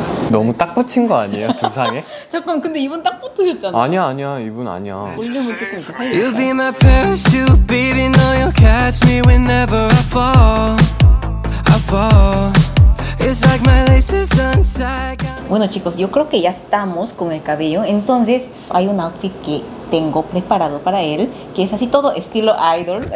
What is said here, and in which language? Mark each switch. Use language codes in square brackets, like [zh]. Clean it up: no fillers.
[ko] 너무 딱 붙인 거 아니에요? 두 상에? 잠깐 근데 이분 딱 붙으셨잖아. 아니야 아니야 이분 아니야. 볼륨을 조금 이렇게 살려. [en] You'll be my parachute, baby. No, you'll catch me whenever I fall. I fall. It's like my laces untied. [es] Bueno, chicos, yo creo que ya estamos con el cabello. Entonces, hay un outfit que tengo preparado para él, que es así todo estilo idol.